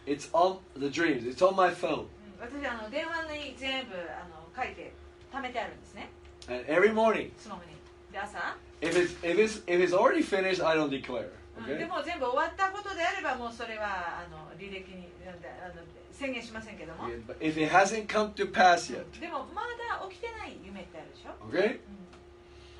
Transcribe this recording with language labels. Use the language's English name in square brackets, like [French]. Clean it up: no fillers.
[English] It's on the dreams, it's on my phone、う [Japanese] ん、私あの電話に全部あの書いて貯めてあるんですね。 [English] And every morning [Japanese] スマホにで朝 [English] if it's already finished, I don't declare、okay? [Japanese] うん、でも全部終わったことであればもうそれはあの履歴に宣言しませんけども。 [English] Yeah, but if it hasn't come to pass yet. [Japanese] でもまだ起きてない夢ってあるでしょ。